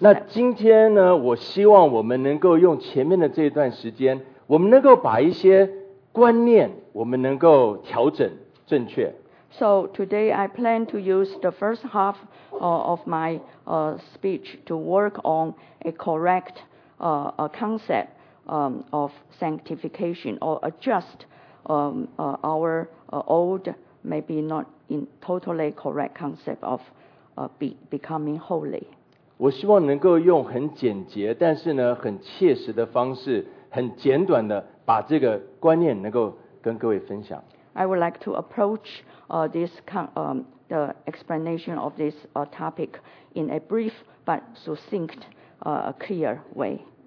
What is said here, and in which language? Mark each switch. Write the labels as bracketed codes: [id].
[zh] 那今天呢，我希望我们能够用前面的这段时间，我们能够把一些观念我们能够调整正确。 [en] So today I plan to use the first half of my speech to work on a correct concept of sanctification or adjust our old, maybe not in totally correct concept of becoming holy. [zh] 我希望能够用很简洁但是呢很切实的方式，很简短的把这个观念能够跟各位分享。 [en] I would like to approach the explanation of this topic in a brief but succinct, clear way.